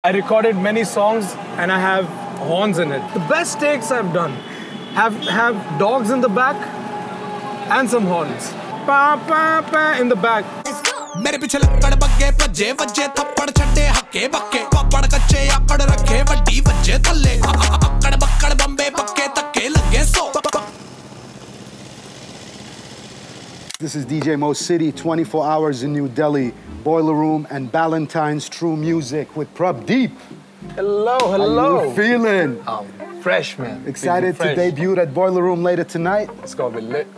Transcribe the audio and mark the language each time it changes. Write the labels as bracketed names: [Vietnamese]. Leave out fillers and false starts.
[English] I recorded many songs and I have horns in it. The best takes I've done have dogs in the back and some horns. Pa pa pa in the back. [Punjabi] ਮੇਰੇ ਪਿੱਛੇ ਲੱਕੜ ਬੱਗੇ ਭੱਜੇ ਵੱਜੇ ਥੱਪੜ ਛੱਡੇ ਹੱਕੇ ਬੱਕੇ ਪਾਪੜ ਕੱਚੇ ਆਕੜ ਰੱਖੇ ਵੱਡੀ ਵੱਜੇ ਥੱਲੇ ਅੱਕੜ ਬੱਕੜ ਬੰਬੇ ਪੱਕੇ ਧੱਕੇ ਲੱਗੇ ਸੋ. [English] This is DJ Mo City, 24 hours in New Delhi, Boiler Room and Ballantine's True Music with Prabh Deep. Hello, hello. How you feeling? I'm fresh, man. Excited fresh. To debut at Boiler Room later tonight? It's gonna be lit.